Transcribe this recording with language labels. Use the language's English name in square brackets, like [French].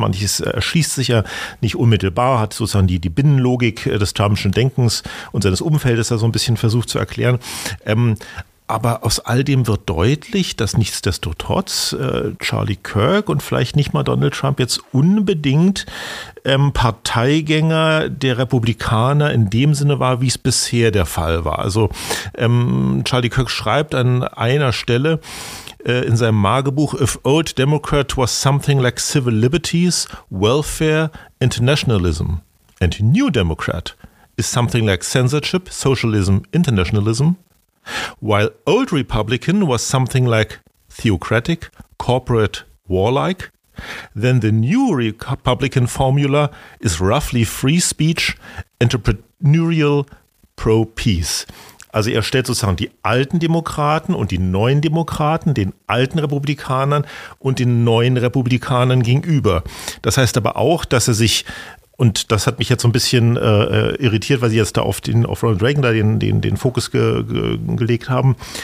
[German] Manches erschließt sich ja nicht unmittelbar, hat sozusagen die Binnenlogik des Trumpschen Denkens und seines Umfeldes da so ein bisschen versucht zu erklären. Aber aus all dem wird deutlich, dass nichtsdestotrotz Charlie Kirk und vielleicht nicht mal Donald Trump jetzt unbedingt Parteigänger der Republikaner in dem Sinne war, wie es bisher der Fall war. Also Charlie Kirk schreibt an einer Stelle in seinem Magebuch: [English] If old Democrat was something like civil liberties, welfare and nationalism, and new Democrat is something like censorship, socialism, internationalism, while old Republican was something like theocratic, corporate, warlike, then the new Republican formula is roughly free speech, entrepreneurial, pro-peace. [German] Also er stellt sozusagen die alten Demokraten und die neuen Demokraten, den alten Republikanern und den neuen Republikanern gegenüber. Das heißt aber auch, dass er sich, und das hat mich jetzt so ein bisschen irritiert, weil Sie jetzt da auf Ronald Reagan da den Fokus gelegt haben.